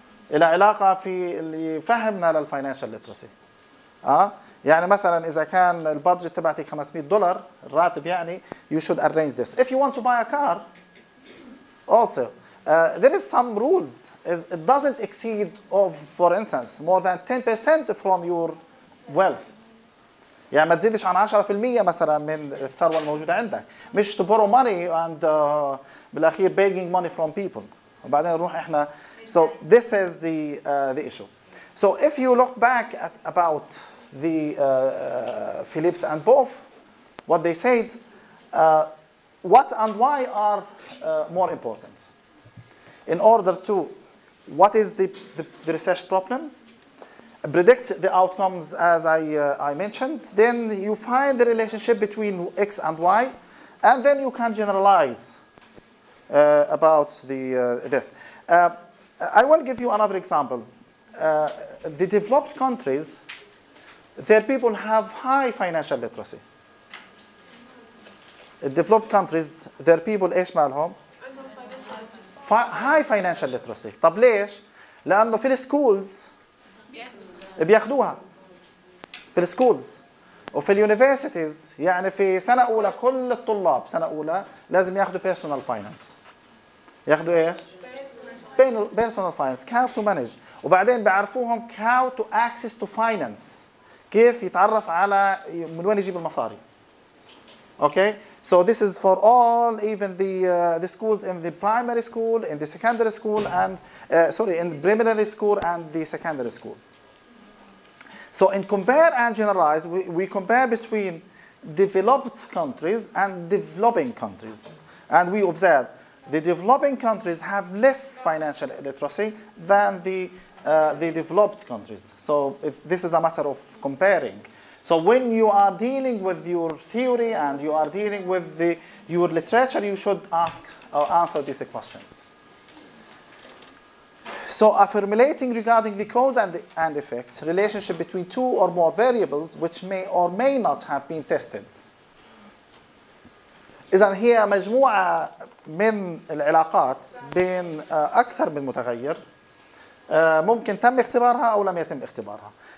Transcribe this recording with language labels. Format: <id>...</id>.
<ar>إلى علاقة في اللي فهمنا للفاينانشال ليترسي. يعني مثلاً إذا كان البادجت تبعتي 500 دولار الراتب يعني</ar> <en>you should arrange this. If you want to buy a car also there is some rules is it doesn't exceed of for instance more than 10% from your wealth.</en> <ar>يعني ما تزيدش عن 10% مثلا من الثروة الموجودة عندك. مش</ar> <en>to borrow money and</en> <ar>بالأخير</ar> <en>begging money from people.</en> <ar>وبعدين نروح إحنا.</ar> <en>So this is the issue. So if you look back at about the Phillips and Boff, what they said, what and why are more important? In order to, what is the research problem? Predict the outcomes as I mentioned, then you find the relationship between X and Y, and then you can generalize about the this. I will give you another example. The developed countries, their people have high financial literacy. Developed countries, their people,</en> <ar>إيش مالهم؟</ar> <en>high financial literacy.</en> <ar>طب ليش؟ لأنه في schools بياخدوها في السكولز وفي اليونيفرسيتيز. يعني في سنة أولى كل الطلاب سنة أولى لازم ياخدوا بيرسونال فاينانس. ياخدوا إيش؟ بيرسونال فاينانس</ar> <en>كيف to manage.</en> <ar>وبعدين بيعرفوهم</ar> <en>كيف to access to finance,</en> <ar>كيف يتعرف على من وين يجيب المصاري. أوكي؟</ar> <en>So this is for all, even the schools in the primary school, in the secondary school and in the primary school and the secondary school. So in compare and generalize, we compare between developed countries and developing countries. And we observe the developing countries have less financial literacy than the developed countries. So this is a matter of comparing. So when you are dealing with your theory and you are dealing with your literature, you should ask or answer these questions. So, affirmating regarding the cause and effect, relationship between two or more variables which may or may not have been tested.</en> <ar>إذا هي مجموعة من العلاقات بين أكثر من متغير ممكن تم اختبارها أو لم يتم اختبارها.</ar>